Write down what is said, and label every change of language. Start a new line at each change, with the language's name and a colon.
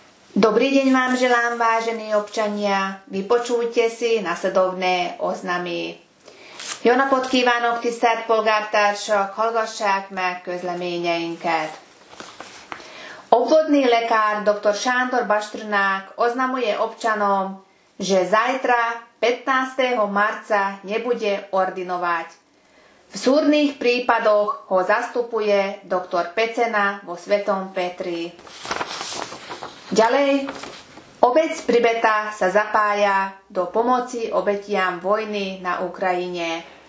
Slovak: Dobrý deň vám želám, vážení občania. Vypočujte si nasledovné oznamy.
Hungarian: Jó napot kívánok, tisztelt polgártársak, hallgassák meg közleményeinket.
Slovak: Obvodný lekár dr. Sándor Bastrnák oznamuje občanom, že zajtra 15. marca nebude ordinovať. V súrnych prípadoch ho zastupuje dr. Pecena vo Svetom Petri. Ďalej, obec Pribeta sa zapája do pomoci obetiam vojny na Ukrajine.